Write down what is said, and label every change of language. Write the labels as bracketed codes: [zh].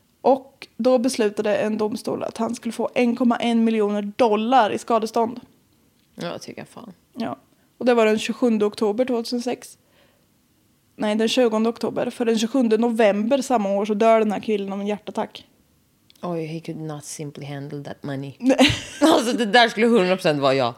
[sv] Och då beslutade en domstol att han skulle få 1,1 miljoner dollar i skadestånd. Ja, tycker jag fan. Ja. Och det var den 27 oktober 2006. Nej, den 20 oktober. För den 27 november samma år så dör den här killen av en hjärtattack. [en] Oj, he could not simply handle that money. [sv] Alltså, det där skulle 100% vara jag.